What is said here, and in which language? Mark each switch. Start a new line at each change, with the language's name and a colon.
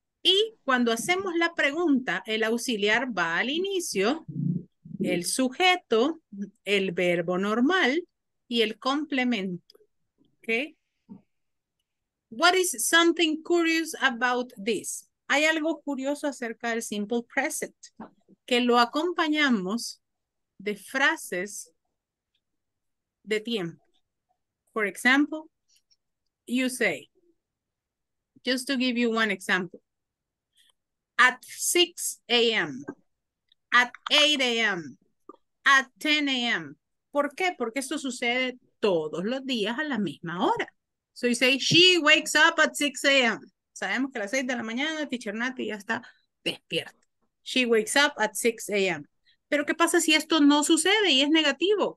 Spanish: Y cuando hacemos la pregunta, el auxiliar va al inicio, el sujeto, el verbo normal y el complemento. Okay.
English: What is something curious about this?
Spanish: Hay algo curioso acerca del simple present, que lo acompañamos de frases de tiempo.
English: For example, you say, just to give you one example, at 6 a.m., at 8 a.m., at 10 a.m.
Spanish: ¿Por qué? Porque esto sucede todos los días a la misma hora.
English: So you say, she wakes up at 6 a.m.
Spanish: Sabemos que a las 6 de la mañana, teacher Nati ya está despierta.
English: She wakes up at 6 a.m.
Spanish: ¿Pero qué pasa si esto no sucede y es negativo?